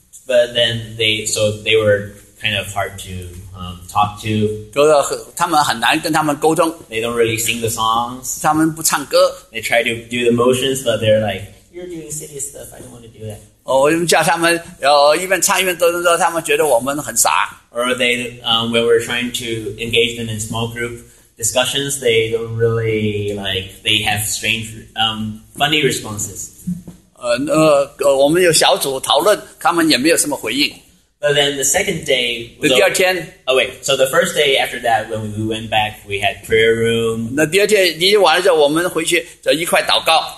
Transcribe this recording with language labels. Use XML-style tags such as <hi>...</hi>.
<en>But then they were kind of hard to talk to.</en> <zh>就是他们很难跟他们沟通.</zh> <en>They don't really sing the songs.</en> <zh>他们不唱歌.</zh> <en>They try to do the motions, but they're like, you're doing silly stuff, I don't want to do that.</en> <zh>我们叫他们一边唱一边都说他们觉得我们很傻.</zh> <en>Or they, when we're trying to engage them in small group discussions, they don't really, like, they have strange, funny responses.</en> <zh>我们有小组讨论，他们也没有什么回应。</zh> <en>But then the second day... So the first day after that, when we went back, we had prayer room.</en> <zh>那第二天,第一天晚上我们回去就一块祷告。</zh>